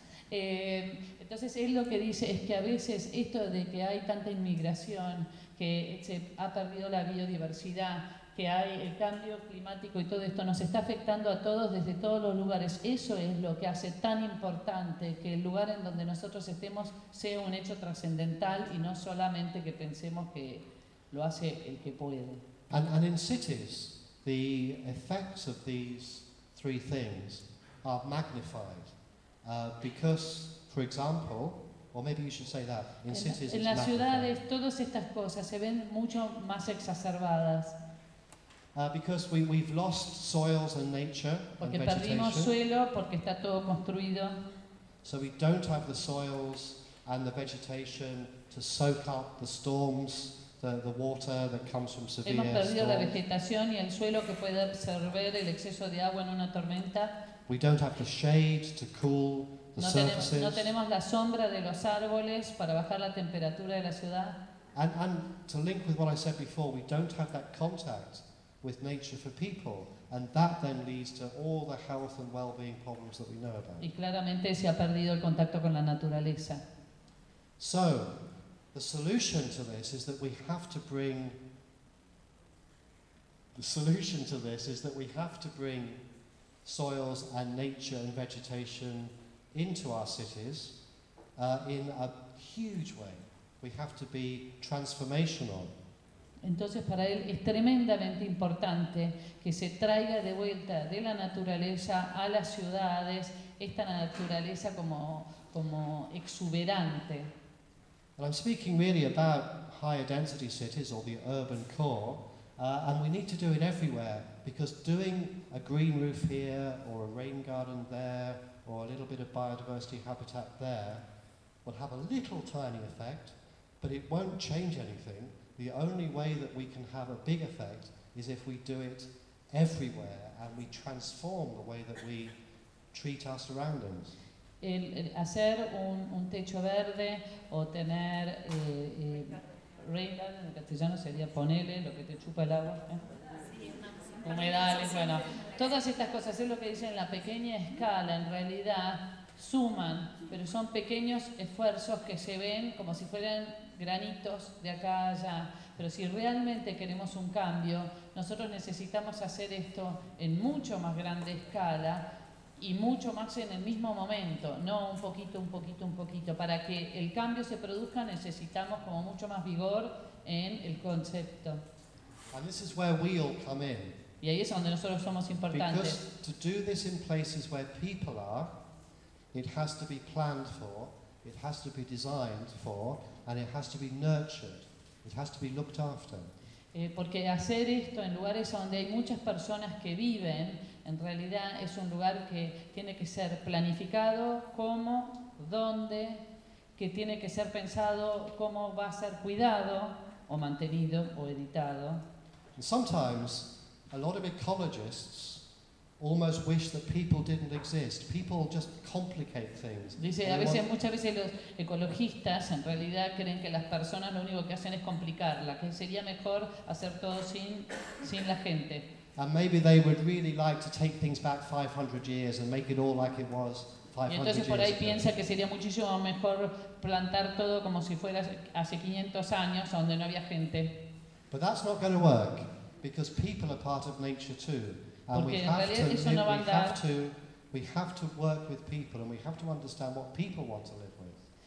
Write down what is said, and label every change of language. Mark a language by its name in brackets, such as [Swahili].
[Spanish] Entonces, él lo que dice es que a veces esto de que hay tanta inmigración, que se ha perdido la biodiversidad, que hay el cambio climático y todo esto, nos está afectando a todos desde todos los lugares. Eso es lo que hace tan importante que el lugar en donde nosotros estemos sea un hecho trascendental y no solamente que pensemos que lo hace el que puede. [English] And in cities, the effects of these three things are magnified. Because, for example, or maybe you should say that, in cities [Spanish] en las ciudades, todas estas cosas se ven mucho más exacerbadas. [English] Because we've lost soils and nature [Spanish] porque [English] and vegetation. [Spanish] Perdimos suelo porque está todo construido. [English] So we don't have the soils and the vegetation to soak up the storms, the water that comes from severe storms. [Spanish] Hemos perdido la vegetación y el suelo que puede absorber el exceso de agua en una tormenta. [English] We don't have the shade to cool the surfaces. [Spanish] No tenemos la sombra de los árboles para bajar la temperatura de la ciudad. [English] And to link with what I said before, we don't have that contact with nature for people, and that then leads to all the health and well-being problems that we know about. [Spanish] Y claramente se ha perdido el contacto con la naturaleza. [English] So, the solution to this is that we have to bring. The solution to this is that we have to bring soils and nature and vegetation into our cities in a huge way. We have to be transformational. [Spanish] Entonces para él es tremendamente importante que se traiga de vuelta de la naturaleza a las ciudades esta naturaleza como exuberante. [English] And I'm speaking really about higher density cities or the urban core, and we need to do it everywhere because doing a green roof here or a rain garden there or a little bit of biodiversity habitat there will have a little tiny effect, but it won't change anything. The only way that we can have a big effect is if we do it everywhere and we transform the way that we treat our surroundings. [Spanish] El hacer un techo verde o tener rain garden, en castellano sería ponerle lo que te chupa el agua, humedales, bueno, todas estas cosas es lo que dicen en la pequeña escala, en realidad suman, pero son pequeños esfuerzos que se ven como si fueran granitos de acá a allá, pero si realmente queremos un cambio, nosotros necesitamos hacer esto en mucho más grande escala y mucho más en el mismo momento, no un poquito, un poquito, un poquito. Para que el cambio se produzca necesitamos como mucho más vigor en el concepto. [English] And this is where we all come in. [Spanish] Y ahí es donde nosotros somos importantes. [English] Because to do this in places where people are, it has to be planned for, it has to be designed for, and it has to be nurtured, it has to be looked after. [Spanish] Porque hacer esto en lugares donde hay muchas personas que viven, en realidad es un lugar que tiene que ser planificado, cómo, dónde, que tiene que ser pensado cómo va a ser cuidado, o mantenido, o editado. [English] And sometimes, a lot of ecologists almost wish that people didn't exist. People just complicate things. [Spanish] Dice, a veces, muchas veces los ecologistas en realidad creen que las personas lo único que hacen es complicarla, que sería mejor hacer todo sin la gente. [English] And maybe they would really like to take things back 500 years and make it all like it was 500 years ago. [Spanish] Y entonces por ahí piensa que sería muchísimo mejor plantar todo como si fuera hace 500 años donde no había gente. [English] But that's not going to work because people are part of nature too. And we have to work with people and we have to understand what people want to live with.